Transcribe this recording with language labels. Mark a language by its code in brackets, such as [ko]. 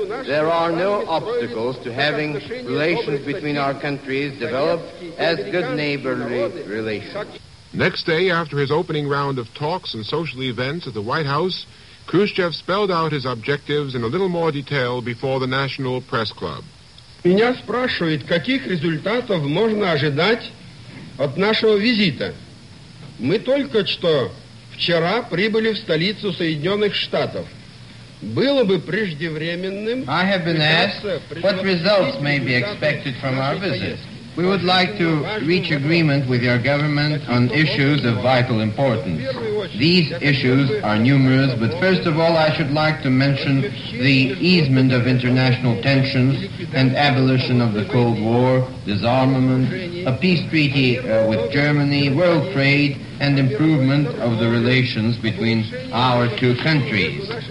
[en] There are no obstacles to having relations between our countries developed as good neighborly relations. Next day, after his opening round of talks and social events at the White House, Khrushchev spelled out his objectives in a little more detail before the National Press Club. [ru] Меня спрашивают, каких результатов можно ожидать от нашего визита. Мы только что вчера прибыли в столицу Соединенных Штатов. Было бы преждевременным... [en] I have been asked what results may be expected from our visit. We would like to reach agreement with your government on issues of vital importance. These issues are numerous, but first of all, I should like to mention the easement of international tensions and abolition of the Cold War, disarmament, a peace treaty with Germany, world trade, and improvement of the relations between our two countries.